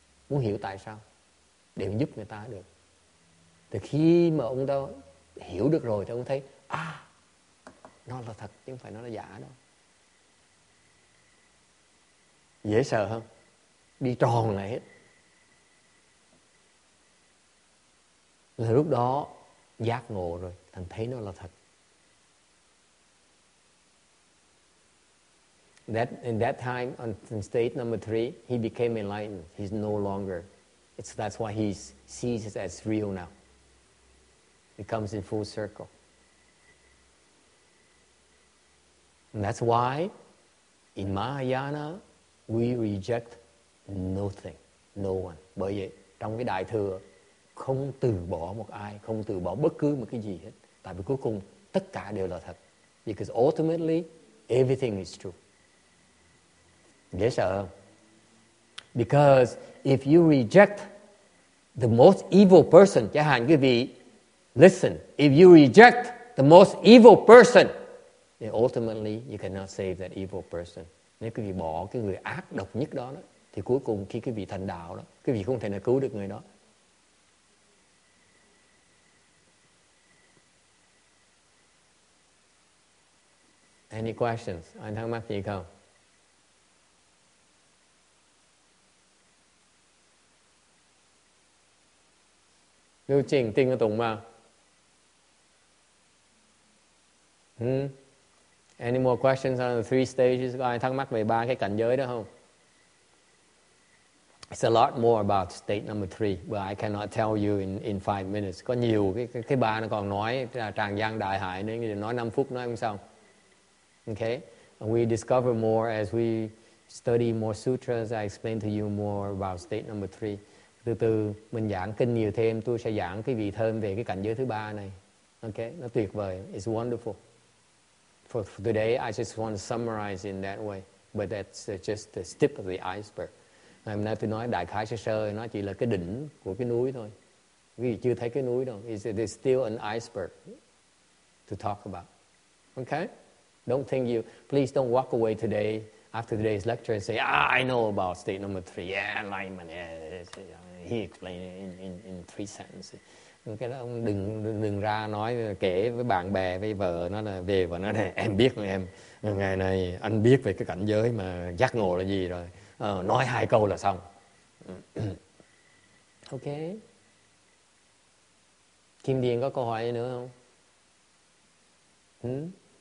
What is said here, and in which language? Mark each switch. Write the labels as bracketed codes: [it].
[vi] Muốn hiểu tại sao để giúp người ta được. Thì khi mà ông đó hiểu được rồi thì ông thấy à, nó là thật chứ không phải nó là giả đâu. Dễ sợ không? Đi tròn lại hết. Là lúc đó giác ngộ rồi, thành thấy nó là thật. [en] That in that time on stage number three, he became enlightened. He's no longer. That's why he sees it as real now. It comes in full circle. And that's why in Mahayana we reject nothing, no one. [vi] Bởi vậy trong cái đại thừa không từ bỏ một ai, không từ bỏ bất cứ một cái gì hết. Tại vì cuối cùng tất cả đều là thật. [en] Because ultimately everything is true. [vi] Dễ sợ không? [en] Because if you reject the most evil person, [vi] chẳng hạn quý vị, [en] listen, if you reject the most evil person, then ultimately you cannot save that evil person. [vi] Nếu quý vị bỏ cái người ác độc nhất đó, đó thì cuối cùng khi quý vị thành đạo đó, quý vị không thể nào cứu được người đó. [en] Any questions? Antamatika. Liu Jing, Ting Dong Ma. Any more questions on the three stages? [vi] Ai thắc mắc về ba cái cảnh giới đó không? [en] It's a lot more about state number three, but I cannot tell you in 5 minutes. [vi] Có nhiều cái ba nó còn nói tràng gian đại hải nên nói 5 phút nói không xong. [en] Okay, we discover more as we study more sutras. I explain to you more about state number three. [vi] Từ từ mình giảng kinh nhiều thêm, tôi sẽ giảng cái vị thêm về cái cảnh giới thứ ba này. [en] Okay, [vi] nó tuyệt vời. [en] It's wonderful. For today, I just want to summarize in that way, but that's just the tip of the iceberg. [vi] Hôm nay tôi nói đại khái sơ sơ, nó chỉ là cái đỉnh của cái núi thôi. Vì chưa thấy cái núi đâu. [en] It's still an iceberg to talk about. Okay? Don't think you, please don't walk away today, after today's lecture, and say, ah, I know about state number three. Yeah, enlightenment. Yeah. He explained it in three sentences. [vi] Cái đó ông đừng ra nói kể với bạn bè với vợ nó là về và nó này em biết em ngày này anh biết về cái cảnh giới mà giác ngộ là gì rồi nói hai câu là xong. Ok, Kim Điền có câu hỏi gì nữa không?